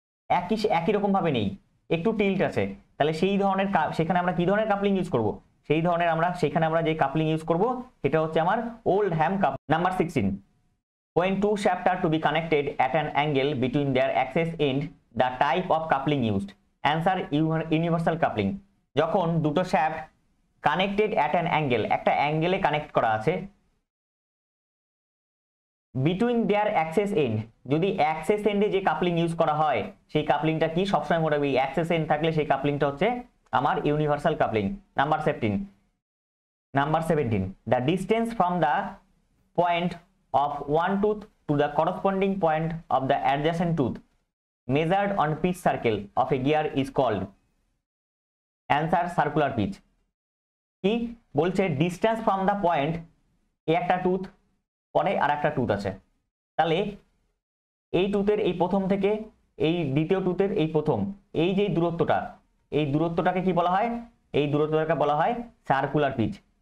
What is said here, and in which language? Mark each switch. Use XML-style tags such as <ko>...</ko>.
<bn>একিস একই রকম ভাবে নেই একটু টিল্ট আছে তাহলে সেই ধরনের সেখানে আমরা কি ধরনের কাপলিং ইউজ করব সেই ধরনের আমরা সেখানে আমরা যে কাপলিং ইউজ করব সেটা হচ্ছে আমার old Ham cup number 16</bn> <en>when two shaft are to be connected at an angle between their axis end the type of coupling used answer universal coupling</en> <bn>যখন দুটো shaft connected at an angle একটা অ্যাঙ্গেলে connect করা আছে</bn> <en>Between their axis end,</en> <bn>যদি axis end এ যে coupling use করা হয়, সেই coupling টা কি সবসময় মনে রাখবি axis end থাকলে সেই coupling টা হচ্ছে আমার universal coupling.</bn> <en>Number 17. Number 17. The distance from the point of one tooth to the corresponding point of the adjacent tooth measured on pitch circle of a gear is called. Answer circular pitch.</en> <bn>কি বলছে</bn> <en>distance from the point</en> <bn>একটা tooth পরে আর একটা tooth আছে তাহলে এই টুথের এই প্রথম থেকে এই দ্বিতীয় টুথের এই প্রথম এই যে দূরত্বটা এই দূরত্বটাকে কি বলা হয় এই দূরত্বটাকে বলা হয় সার্কুলার পিচ</bn>